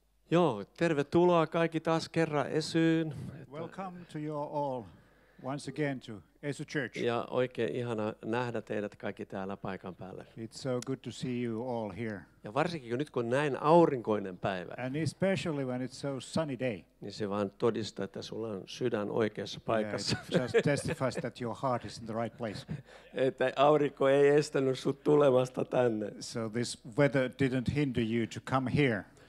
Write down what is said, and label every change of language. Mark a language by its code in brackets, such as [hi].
[fi] Joo, tervetuloa kaikki taas kerran Esyyn. [en] Welcome to you all once again to Esu Church. [fi] Ja oikein ihana nähdä teidät kaikki täällä paikan päällä. [en] It's so good to see you all here. [fi] Ja varsinkin nyt kun näin aurinkoinen päivä. [en] And especially when it's so sunny day. [fi] Niin se vaan todistaa, että sulla on sydän oikeassa paikassa. [en] Yeah, just testifies that your heart is in the right place. [fi] Että aurinko ei estänyt sut tulemasta tänne. [en] So this weather didn't hinder you to come here.